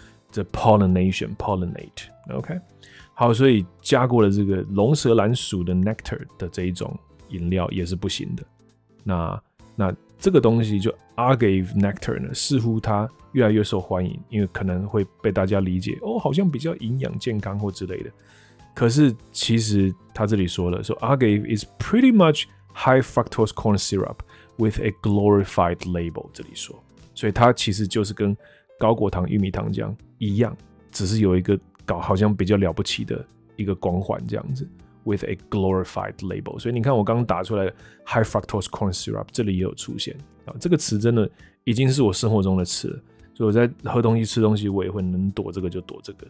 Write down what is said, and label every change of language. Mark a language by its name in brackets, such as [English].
[Chinese] 这 pollinate。OK， 好，所以加过了这个龙舌兰属的 nectar 的这一种饮料也是不行的。那这个东西就 agave nectar 呢，似乎它越来越受欢迎，因为可能会被大家理解哦，好像比较营养健康或之类的。可是其实他这里说了，说 [English] agave is pretty much high fructose corn syrup with a glorified label。 [Chinese] 这里说，所以它其实就是跟高果糖玉米糖浆一样，只是有一个搞好像比较了不起的一个光环这样子。 With a glorified label， 所以你看我刚刚打出来的 high fructose corn syrup， 这里也有出现啊。这个词真的已经是我生活中的词了，所以我在喝东西、吃东西，我也会能躲这个就躲这个。